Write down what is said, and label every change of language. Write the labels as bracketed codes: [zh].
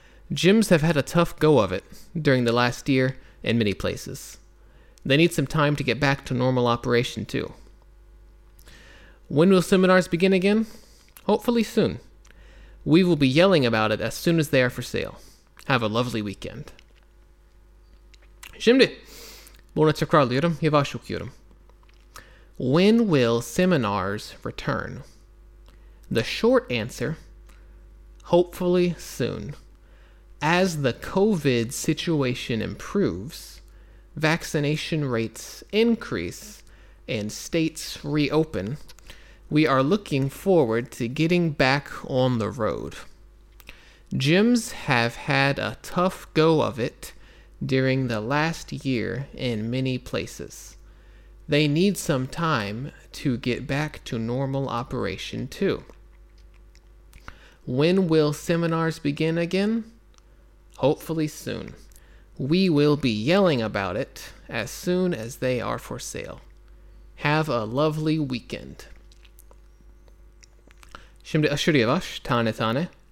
[en] Gyms have had a tough go of it during the last year in many places. They need some time to get back to normal operation too. When will seminars begin again? Hopefully soon. We will be yelling about it as soon as they are for sale. Have a lovely weekend. [tr] Şimdi, bunu tekrarlıyorum, yavaş okuyorum. [en] When will seminars return? The short answer, hopefully soon. As the COVID situation improves, vaccination rates increase, and states reopen, we are looking forward to getting back on the road. Gyms have had a tough go of it during the last year in many places. They need some time to get back to normal operation too. When will seminars begin again? Hopefully soon. We will be yelling about it as soon as they are for sale. Have a lovely weekend. [tr] Şimdi aşırı yavaş, tane tane.